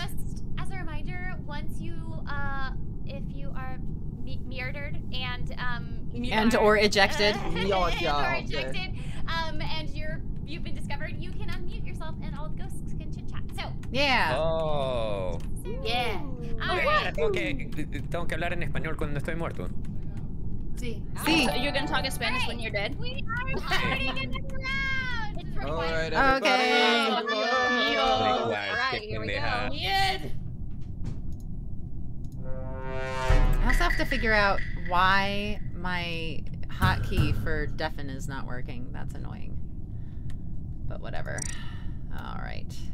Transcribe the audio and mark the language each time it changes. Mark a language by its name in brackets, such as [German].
[English] Just as a reminder, once you, if you are murdered and, And or ejected. ejected, and you've been discovered, you can unmute yourself, and all the ghosts can chit-chat. So. Yeah. Oh. Yeah. [Spanish] Tengo que hablar en español cuando estoy muerto. Sí. [English] So you're gonna talk in Spanish when you're dead? We are starting in the round! All right, everybody. Okay. All right, here we go. I also have to figure out why my hotkey for deafen is not working. That's annoying. But whatever. All right.